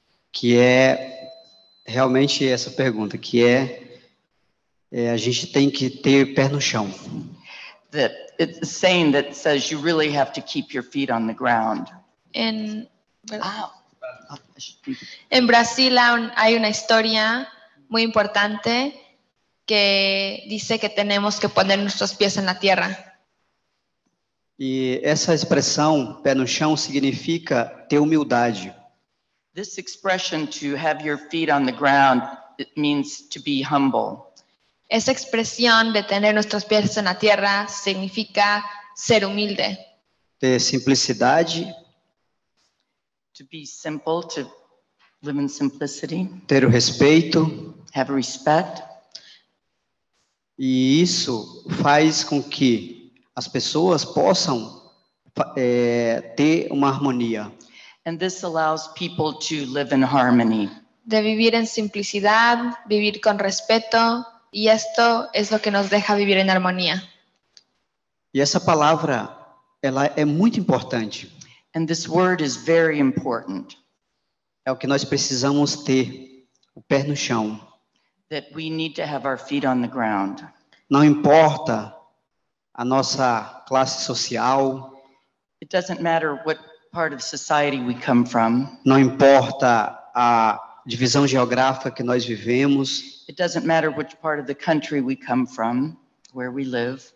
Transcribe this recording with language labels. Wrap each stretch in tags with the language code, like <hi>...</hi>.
<pt>Que é realmente essa pergunta, que é, a gente tem que ter pé no chão.</pt> <en>That it's a saying that says you really have to keep your feet on the ground.</en> <es>En Brasil hay una historia muy importante que dice que tenemos que poner nuestros pies en la tierra.</es> <pt>E essa expressão, pé no chão, significa ter humildade.</pt> <en>This expression, to have your feet on the ground, it means to be humble.</en> <pt>Essa expressão de</pt> <es>tener nuestros pies en la tierra significa ser humilde.</es> <pt>Ter simplicidade.</pt> <en>To be simple, to live in simplicity.</en> <pt>Ter o respeito.</pt> <en>Have respect.</en> <pt>E isso faz com que as pessoas possam ter uma harmonia.</pt> <en>And this allows people to live in harmony.</en> <es>De vivir en simplicidad, vivir con respeto, y esto es lo que nos deja vivir en armonía.</es> <pt>E essa palavra, ela é muito importante.</pt> <en>And this word is very important.</en> <pt>É o que nós precisamos ter, o pé no chão.</pt> <en>That we need to have our feet on the ground.</en> <pt>Não importa a nossa classe social.</pt> <en>It doesn't matter what part of society we come from.</en> <pt>Não importa a divisão geográfica que nós vivemos.</pt> <en>It doesn't matter which part of the country we come from, where we live.</en>